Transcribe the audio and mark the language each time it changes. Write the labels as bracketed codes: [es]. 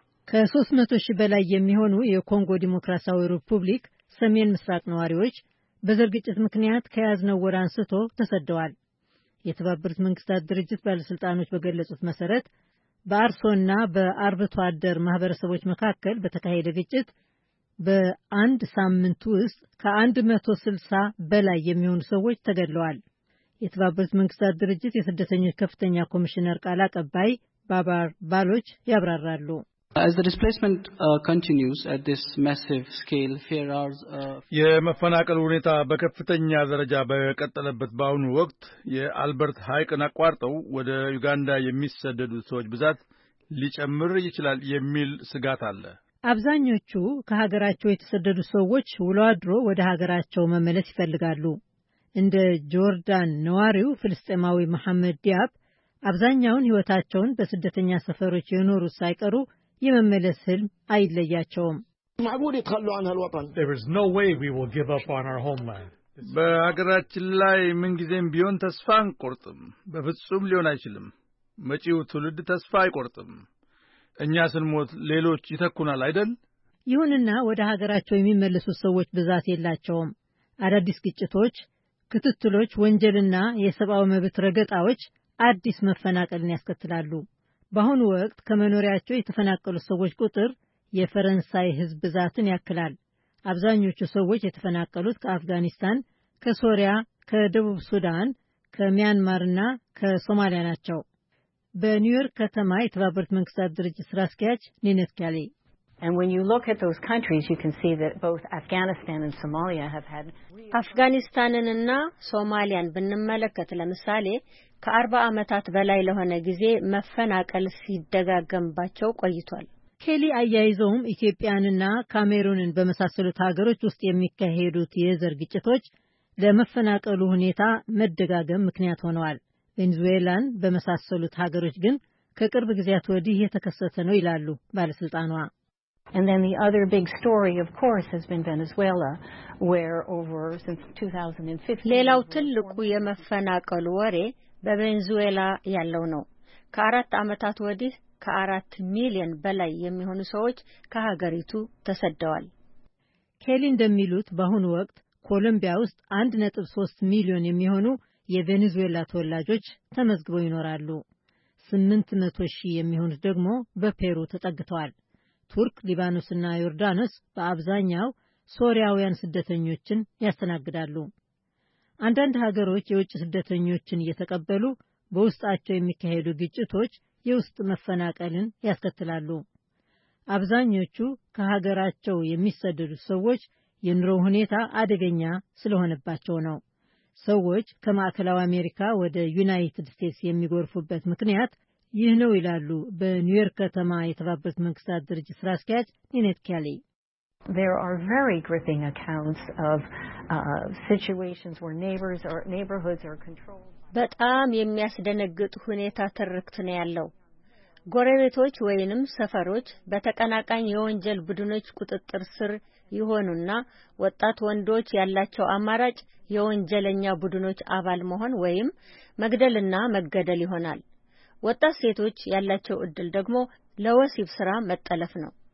[am] ከ300,000 በላይ የሚሆኑ የኮንጎ ዲሞክራሲያዊ ሪፑብሊክ ሰሜን ምስራቅ ነዋሪዎች በዘር ግጭት ምክንያት ከያዝነው ወር አንስቶ ተሰደዋል። የተባበሩት መንግስታት ድርጅት ባለስልጣኖች በገለጹት መሰረት በአርሶና በአርብቶ አደር ማህበረሰቦች መካከል በተካሄደ ግጭት በአንድ ሳምንት ውስጥ ከ160 በላይ የሚሆኑ ሰዎች ተገድለዋል። የተባበሩት መንግስታት ድርጅት የስደተኞች ከፍተኛ ኮሚሽነር ቃል አቀባይ ባባር ባሎች ያብራራሉ። [en] As the displacement continues at this massive scale, fear are [am] የመፈናቀል ሁኔታ በከፍተኛ ደረጃ በቀጠለበት በአሁኑ ወቅት የአልበርት ሃይቅን አቋርጠው ወደ ዩጋንዳ የሚሰደዱ ሰዎች ብዛት ሊጨምር ይችላል የሚል ስጋት አለ። አብዛኞቹ ከሀገራቸው የተሰደዱ ሰዎች ውሎ አድሮ ወደ ሀገራቸው መመለስ ይፈልጋሉ። እንደ ጆርዳን ነዋሪው ፍልስጤማዊ መሐመድ ዲያብ አብዛኛውን ህይወታቸውን በስደተኛ ሰፈሮች የኖሩ ሳይቀሩ የመመለስ ህልም አይለያቸውም። [ar] معقول يتخلوا عن هالوطن [en] There is no way we will give up on our homeland. [am] በሀገራችን ላይ ምንጊዜም ቢሆን ተስፋ አንቆርጥም። በፍጹም ሊሆን አይችልም። መጪው ትውልድ ተስፋ አይቆርጥም። እኛ ስንሞት ሌሎች ይተኩናል አይደል? ይሁንና ወደ ሀገራቸው የሚመለሱ ሰዎች ብዛት የላቸውም። አዳዲስ ግጭቶች፣ ክትትሎች፣ ወንጀልና የሰብአዊ መብት ረገጣዎች አዲስ መፈናቀልን ያስከትላሉ። በአሁኑ ወቅት ከመኖሪያቸው የተፈናቀሉ ሰዎች ቁጥር የፈረንሳይ ህዝብ ብዛትን ያክላል። አብዛኞቹ ሰዎች የተፈናቀሉት ከአፍጋኒስታን፣ ከሶሪያ፣ ከደቡብ ሱዳን፣ ከሚያንማርና ከሶማሊያ ናቸው። በኒውዮርክ ከተማ የተባበሩት መንግስታት ድርጅት ስራ አስኪያጅ ኒነት ካሌ [en] And when you look at those countries you can see that both Afghanistan and Somalia have had [am] አፍጋኒስታንንና ሶማሊያን ብንመለከት ለምሳሌ ከ40 አመታት በላይ ለሆነ ጊዜ መፈናቀል ሲደጋገምባቸው ቆይቷል። ኬሊ አያይዘውም ኢትዮጵያንና ካሜሩንን በመሳሰሉት ሀገሮች ውስጥ የሚካሄዱት የዘር ግጭቶች ለመፈናቀሉ ሁኔታ መደጋገም ምክንያት ሆነዋል። ቬንዙዌላን በመሳሰሉት ሀገሮች ግን ከቅርብ ጊዜያት ወዲህ የተከሰተ ነው ይላሉ ባለስልጣኗ። [en] And then the other big story of course has been Venezuela where over since 2015 [am] ሌላው ትልቁ የመፈናቀል ወሬ በቬንዙዌላ ያለው ነው። ከአራት አመታት ወዲህ ከአራት ሚሊዮን በላይ የሚሆኑ ሰዎች ከሀገሪቱ ተሰደዋል። ኬሊ እንደሚሉት በአሁኑ ወቅት ኮሎምቢያ ውስጥ 1.3 ሚሊዮን የሚሆኑ የቬንዙዌላ ተወላጆች ተመዝግበው ይኖራሉ። 800 ሺህ የሚሆኑት ደግሞ በፔሩ ተጠግተዋል። ቱርክ፣ ሊባኖስና ዮርዳኖስ በአብዛኛው ሶሪያውያን ስደተኞችን ያስተናግዳሉ። አንዳንድ ሀገሮች የውጭ ስደተኞችን እየተቀበሉ በውስጣቸው የሚካሄዱ ግጭቶች የውስጥ መፈናቀልን ያስከትላሉ። አብዛኞቹ ከሀገራቸው የሚሰደዱ ሰዎች የኑሮ ሁኔታ አደገኛ ስለሆነባቸው ነው። ሰዎች ከማዕከላዊ አሜሪካ ወደ ዩናይትድ ስቴትስ የሚጎርፉበት ምክንያት ይህ ነው ይላሉ በኒውዮርክ ከተማ የተባበሩት መንግስታት ድርጅት ስራ አስኪያጅ ኒነት ካሌ። [en] There are very gripping accounts of situations where neighbors or neighborhoods are controlled [am] በጣም የሚያስደነግጥ ሁኔታ ትርክት ነው ያለው። ጎረቤቶች ወይንም ሰፈሮች በተቀናቃኝ የወንጀል ቡድኖች ቁጥጥር ስር ይሆኑና ወጣት ወንዶች ያላቸው አማራጭ የወንጀለኛ ቡድኖች አባል መሆን ወይም መግደልና መገደል ይሆናል። ወጣት ሴቶች ያላቸው እድል ደግሞ ለወሲብ ስራ መጠለፍ ነው።